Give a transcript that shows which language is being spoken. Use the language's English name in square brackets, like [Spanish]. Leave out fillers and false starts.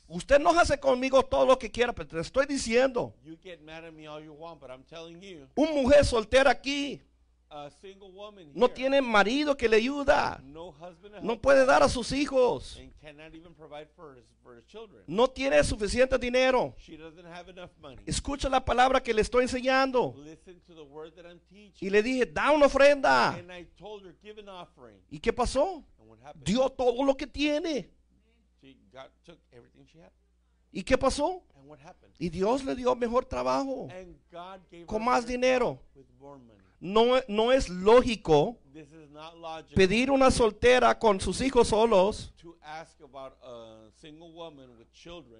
[Spanish] Usted no hace conmigo todo lo que quiera, pero te estoy diciendo. [English] You get mad at me all you want, but I'm telling you. [Spanish] Una mujer soltera aquí. [English] A single woman here. [Spanish] No tiene marido que le ayuda. [English] No husband to help. [Spanish] No puede dar a sus hijos. [English] And cannot even provide for his children. [Spanish] No tiene suficiente dinero. [English] She doesn't have enough money. [Spanish] Escucha la palabra que le estoy enseñando. [English] Listen to the word that I'm teaching. [Spanish] Y le dije, da una ofrenda. [English] And I told her, give an offering. [Spanish] ¿Y qué pasó? [English] And what happened? [Spanish] Dio todo lo que tiene. [English] She got, took everything she had. [Spanish] ¿Y qué pasó? [English] And what happened? [Spanish] Y Dios le dio mejor trabajo. [English] And God gave [Spanish] con [English] her [Spanish] más dinero. [English] With more money. [Spanish] No es lógico pedir una soltera con sus hijos solos. [English] To ask about a single woman with children.